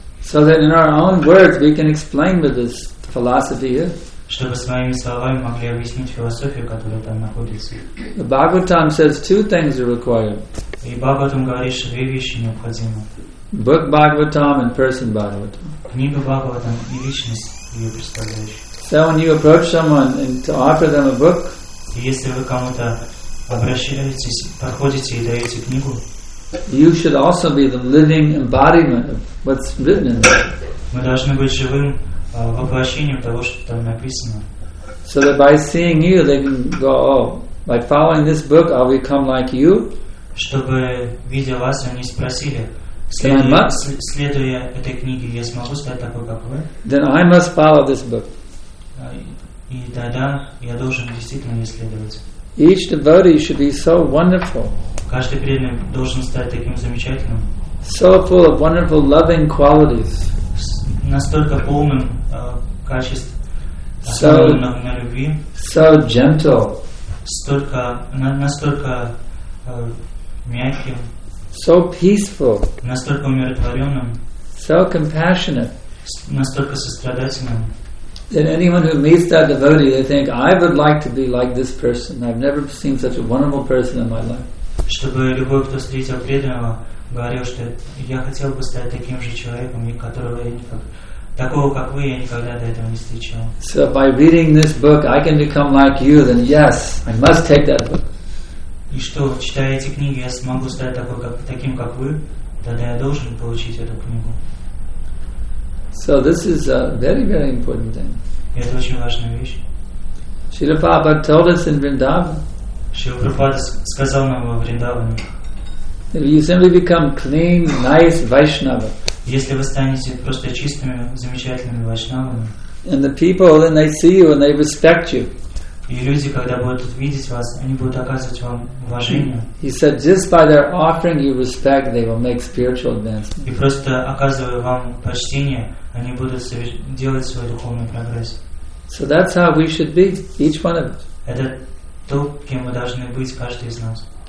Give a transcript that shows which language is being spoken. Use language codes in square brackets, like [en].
[en] So that in our own words we can explain what this philosophy is. [ru] Чтобы своими словами могли объяснить философию, которая там находится. [en] Bhagavatam says two things are required. [ru] И Бхагаватам говорит, что две вещи необходимы. [en] Book Bhagavatam and person Bhagavatam. [ru] Книга Бхагаватам и личность ее представляющая. [en] So when you approach someone and to offer them a book, [ru] если вы кому-то обращаетесь, подходите и даете книгу, [en] you should also be the living embodiment of what's written in it. [ru] Мы должны быть живым воплощением того, что там написано. [en] So that by seeing you, they can go, oh, by following this book, I'll become like you. [ru] Чтобы видя вас, они спросили, следуя этой книге, я смогу стать такой, как вы? [en] Then I must follow this book. [ru] И тогда я должен действительно ее следовать. [en] Each devotee should be so wonderful. [ru] Каждый преданный должен стать таким замечательным. [en] So full of wonderful loving qualities. [ru] Настолько полным качеств, на любви. [en] So gentle. [ru] Настолько мягким. [en] So peaceful. [ru] Настолько умиротворенным. [en] So compassionate. [ru] Настолько сострадательным. [en] Then anyone who meets that devotee, they think, I would like to be like this person. I've never seen such a wonderful person in my life. [ru] Чтобы любой, кто встретил преданного, говорил, что я хотел бы стать таким же человеком, которого я никогда, такого как вы, я никогда до этого не встречал. [en] So by reading this book, I can become like you. Then yes, I must take that book. [ru] И что, читая эти книги, я смогу стать таким как вы? Тогда я должен получить эту книгу. [en] So this is a very, very important thing. [ru] Это очень важная вещь. [en] Srila Prabhupada told us in Vrindavan. [ru] Srila Prabhupada сказал нам во Вриндаване. [en] If you simply become clean, nice Vaishnava. [ru] Если вы станете просто чистыми, замечательными Вайшнавами. [en] And the people, then they see you and they respect you. [ru] И люди, когда будут видеть вас, они будут оказывать вам уважение. [en] He said, just by their offering you respect, they will make spiritual advancement. [ru] И просто оказывая вам почтение, они будут делать свой духовный прогресс. [en] So that's how we should be, each one of us. [ru] Это то, кем мы должны быть, каждый из нас.